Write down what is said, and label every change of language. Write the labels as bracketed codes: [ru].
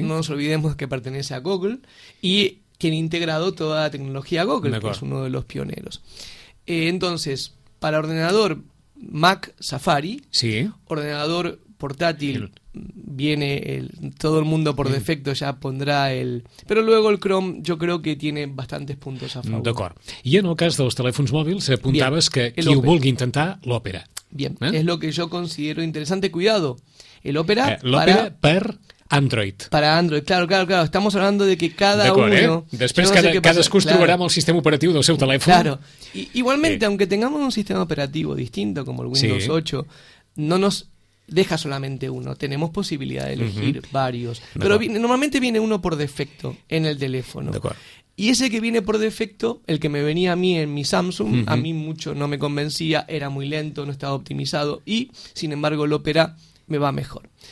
[es] No nos olvidemos que pertenece a Google y tiene integrado toda la tecnología Google, que es uno de los pioneros. Entonces, para ordenador, Mac, Safari, sí, ordenador portátil, viene el, todo el mundo por defecto ya pondrá el... Pero luego el Chrome yo creo que tiene bastantes puntos a favor. [ca] D'acord. I en el cas dels telèfons mòbils apuntaves [es] bien, [ca] que qui ho vulgui intentar, l'Opera. [es] Bien, es lo que yo considero interesante. Cuidado, el Opera, [ca] l'Opera per Android. [es] Para Android, claro, claro, claro. Estamos hablando de que cada uno... [ca] Després no cadascú es trobarà amb el sistema operatiu del seu telèfon. [es] Claro. I, igualmente, aunque tengamos un sistema operativo distinto como el Windows sí. 8, no nos deja solamente uno. Tenemos posibilidad de elegir uh-huh. varios. [ca] D'acord. [es] Pero viene, normalmente viene uno por defecto en el teléfono. [ca] D'acord. [es] Y ese que viene por defecto, el que me venía a mí en mi Samsung, uh-huh. a mí mucho no me convencía, era muy lento, no estaba optimizado y, sin embargo, el Opera me va mejor.